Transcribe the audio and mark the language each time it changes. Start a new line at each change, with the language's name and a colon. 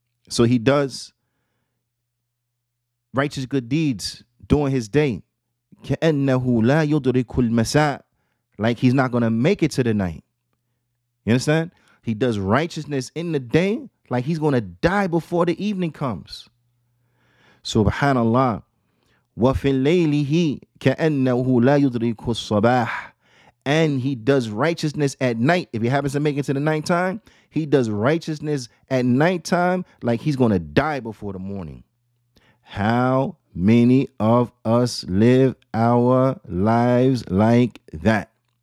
English: So he does righteous good deeds during his day.
Arabic: كأنه لا يدرك المساء.
English: Like he's not going to make it to the night. You understand? He does righteousness in the day, like he's going to die before the evening comes. Subhanallah.
Arabic: وفي الليله كأنه لا يدرك الصباح.
English: And he does righteousness at night. If he happens to make it to the nighttime, he does righteousness at nighttime, like he's going to die before the morning. How many of us live our lives like that?